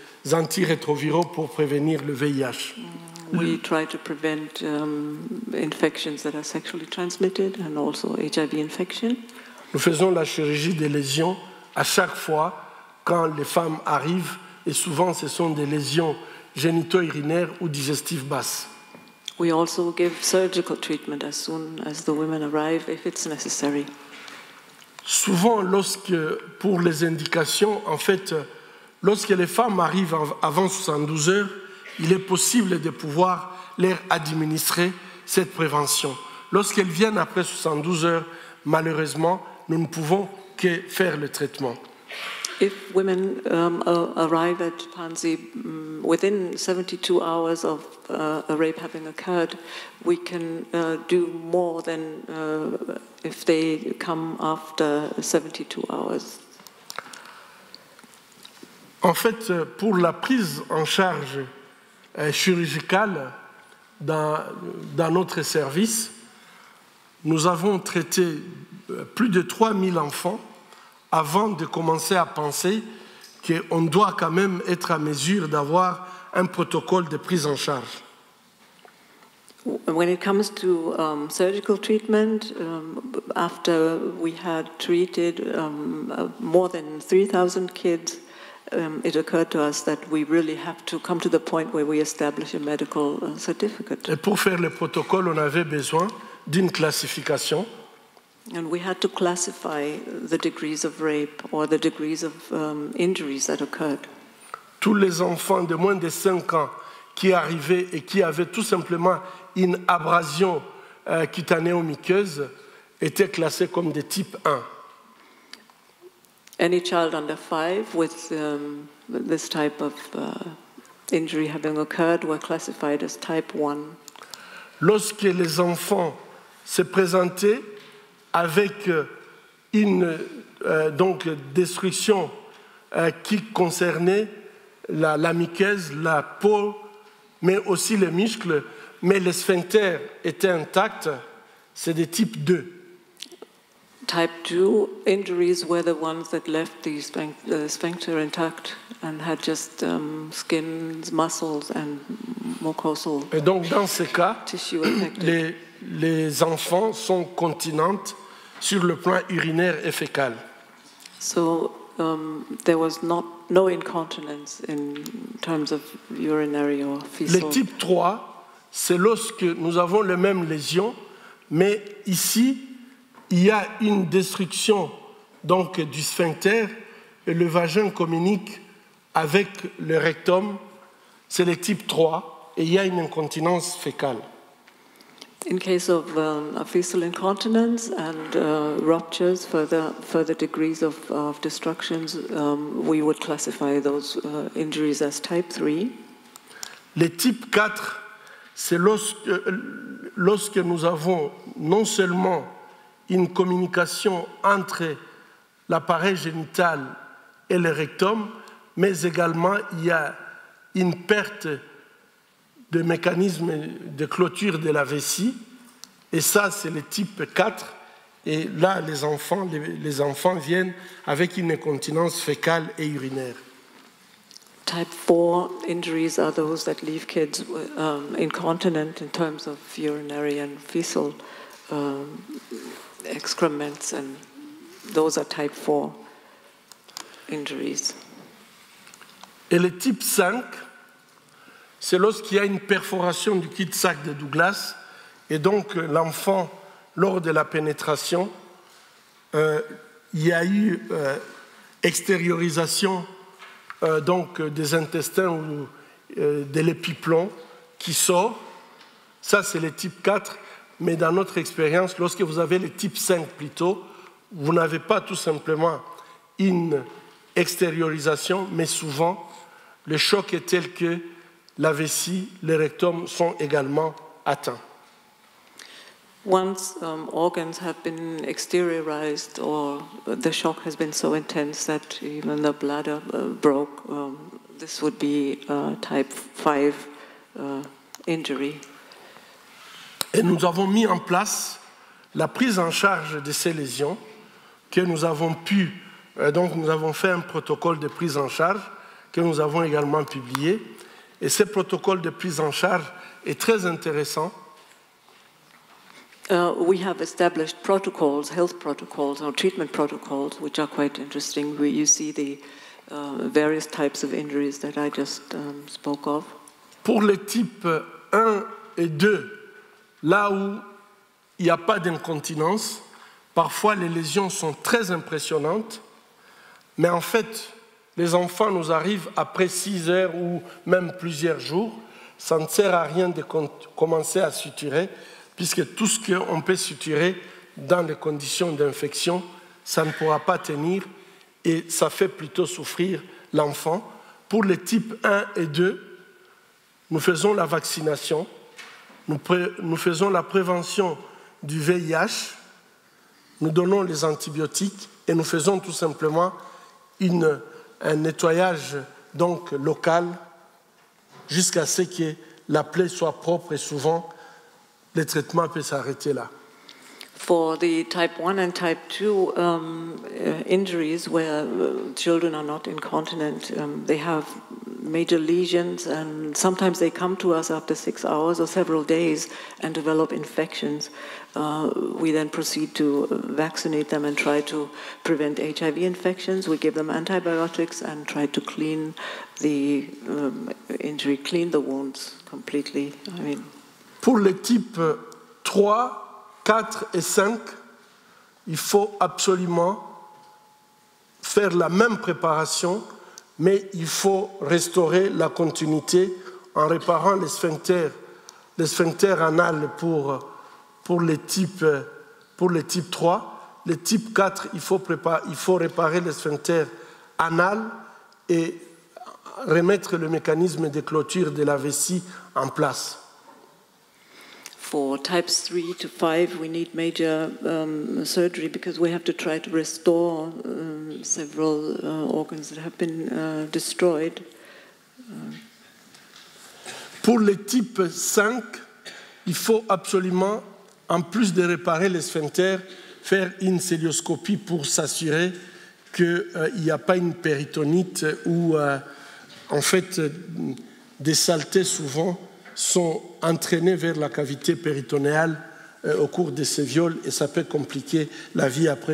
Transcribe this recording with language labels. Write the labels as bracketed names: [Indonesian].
[French] antirétroviraux pour prévenir le VIH. [English] We try to prevent infections that are sexually transmitted and also HIV infection. [French] Nous faisons la chirurgie des lésions à chaque fois quand les femmes arrivent, et souvent ce sont des lésions génito-urinaires ou digestives basses. [English] We also give surgical treatment as soon as the women arrive if it's necessary. [French] Souvent, lorsque, pour les indications, en fait, lorsque les femmes arrivent avant 72 heures, il est possible de pouvoir leur administrer cette prévention. Lorsqu'elles viennent après 72 heures, malheureusement, nous ne pouvons que faire le traitement. [English] If women arrive at Panzi within 72 hours of a rape having occurred, we can do more than if they come after 72 hours. [French] En fait, pour la prise en charge chirurgicale dans notre service, nous avons traité plus de 3000 enfants avant de commencer à penser qu'on doit quand même être à mesure d'avoir un protocole de prise en charge. [English] When it comes to surgical treatment, after we had treated more than 3,000 kids, it occurred to us that we really have to come to the point where we establish a medical certificate. [French] Et pour faire le protocole, on avait besoin d'une classification. [English] And we had to classify the degrees of rape or the degrees of injuries that occurred. [French] Tous les enfants de moins de 5 ans qui arrivaient et qui avaient tout simplement une abrasion cutanée ou muqueuse étaient classés comme des types 1. [English] Any child under 5 with this type of injury having occurred were classified as type 1. [French] Lorsque les enfants se présentaient avec une donc destruction qui concernait la muqueuse, la peau, mais aussi les muscles, mais les sphincters étaient intacts, c'est des types 2. [English] Type 2 injuries were the ones that left the sphincter intact and had just skin, muscles and mucosal. [French] Et donc dans ces cas, les enfants sont continents sur le plan urinaire et fécal. [English] So there was no incontinence in terms of urinary or fecal. [French] Le type 3, c'est lorsque nous avons les mêmes lésions, mais ici il y a une destruction donc du sphincter et le vagin communique avec le rectum. C'est le type 3 et il y a une incontinence fécale. [English] In case of a fecal incontinence and ruptures, further degrees of destructions, we would classify those injuries as type 3. [French] Le type 4, c'est lorsque nous avons non seulement une communication entre l'appareil génital et le rectum, mais également il y a une perte de mécanisme de clôture de la vessie. Et ça, c'est le type 4. Et là, les enfants viennent avec une incontinence fécale et urinaire. [English] Type 4 injuries are those that leave kids incontinent in terms of urinary and fecal excrements. And those are type 4 injuries. [French] Et le type 5, c'est lorsqu'il y a une perforation du cul de sac de Douglas. Et donc, l'enfant, lors de la pénétration, il y a eu extériorisation donc, des intestins ou de l'épiplomb qui sort. Ça, c'est le type 4. Mais dans notre expérience, lorsque vous avez le type 5 plutôt, vous n'avez pas tout simplement une extériorisation, mais souvent, le choc est tel que la vessie, le rectum sont également atteints. [English] Once organs have been exteriorized or the shock has been so intense that even the bladder broke, this would be a type 5 injury. [French] Et nous avons mis en place la prise en charge de ces lésions que nous avons pu, donc nous avons fait un protocole de prise en charge que nous avons également publié. Et ce protocole de prise en charge est très intéressant. [English] We have established protocols, health protocols, or treatment protocols, which are quite interesting. You see the various types of injuries that I just spoke of. [French] Pour les types 1 et 2, là où il n'y a pas d'incontinence, parfois les lésions sont très impressionnantes, mais en fait, les enfants nous arrivent après 6 heures ou même plusieurs jours. Ça ne sert à rien de commencer à suturer, puisque tout ce qu'on peut suturer dans les conditions d'infection, ça ne pourra pas tenir et ça fait plutôt souffrir l'enfant. Pour les types 1 et 2, nous faisons la vaccination, nous faisons la prévention du VIH, nous donnons les antibiotiques et nous faisons tout simplement un nettoyage donc local jusqu'à ce que la plaie soit propre et souvent, le traitement peut s'arrêter là. [English] For the type 1 and type 2 injuries where children are not incontinent, they have major lesions and sometimes they come to us after 6 hours or several days and develop infections. We then proceed to vaccinate them and try to prevent HIV infections. We give them antibiotics and try to clean the injury, clean the wounds completely. I mean, [French] pour les types 3, 4 et 5, il faut absolument faire la même préparation, mais il faut restaurer la continuité en réparant les sphincters anales pour les types 3. Les types 4, il faut réparer les sphincters anales et remettre le mécanisme de clôture de la vessie en place. [English] For types 3 to 5, we need major surgery because we have to try to restore several organs that have been destroyed. [French] Pour les types 5, il faut absolument, en plus de réparer les sphincters, faire une celioscopie pour s'assurer qu'il n'y a pas une péritonite ou, en fait, des saletés souvent sont entraînés vers la cavité péritonéale au cours de ces viols et ça peut compliquer la vie après.